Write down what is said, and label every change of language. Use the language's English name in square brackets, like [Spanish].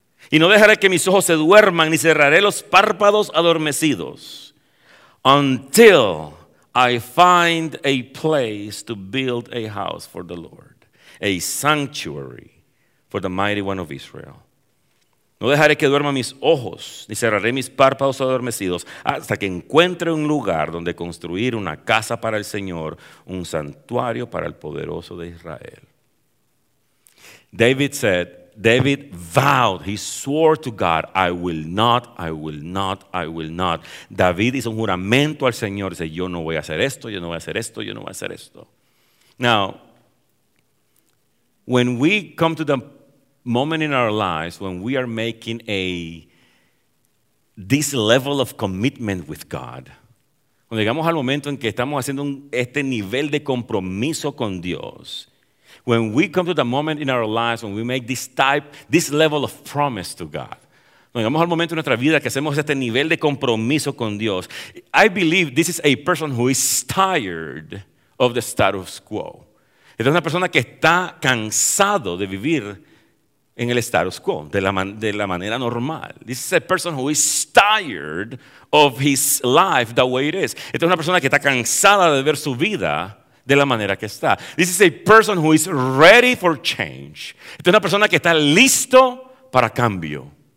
[Spanish] Y no dejaré que mis ojos se duerman, ni cerraré los párpados adormecidos, [English] until I find a place to build a house for the Lord, a sanctuary for the mighty one of Israel. [Spanish] No dejaré que duerman mis ojos, ni cerraré mis párpados adormecidos, hasta que encuentre un lugar donde construir una casa para el Señor, un santuario para el poderoso de Israel. [English] David vowed, he swore to God, I will not, I will not, I will not. [Spanish] David hizo un juramento al Señor, dice, yo no voy a hacer esto, yo no voy a hacer esto, yo no voy a hacer esto. [English] Now, when we come to the moment in our lives when we are making this level of commitment with God, [Spanish] cuando llegamos al momento en que estamos haciendo este nivel de compromiso con Dios, [English] when we come to the moment in our lives when we make this level of promise to God, cuando llegamos al momento en nuestra vida que hacemos este nivel de compromiso con Dios, I believe this is a person who is tired of the status quo. [Spanish] Es una persona que está cansado de vivir en el status quo, de la manera normal. [English] This is a person who is tired of his life the way it is. [Spanish] Esta es una persona que está cansada de ver su vida de la manera que está. [English] This is a person who is ready for change. [Spanish] Esta es una persona que está listo para cambio.